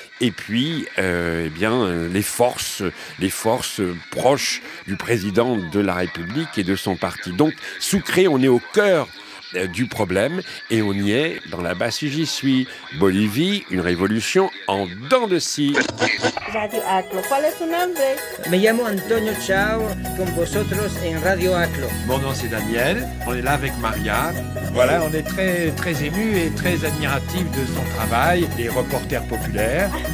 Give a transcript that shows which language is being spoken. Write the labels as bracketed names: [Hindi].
[French] Et puis, eh bien, les forces proches du président de la République et de son parti. Donc, Sucré, on est au cœur du problème et on y est dans la basse où j'y suis. Bolivie, une révolution en dents de scie. [Spanish] Radio Aclo, ¿cuál es su nombre? Me llamo Antonio Chao, con vosotros en Radio Aclo. [French] Mon nom c'est Daniel, on est là avec Maria. Voilà, on est très, très émus et très admiratifs de son travail, des reporters populaires.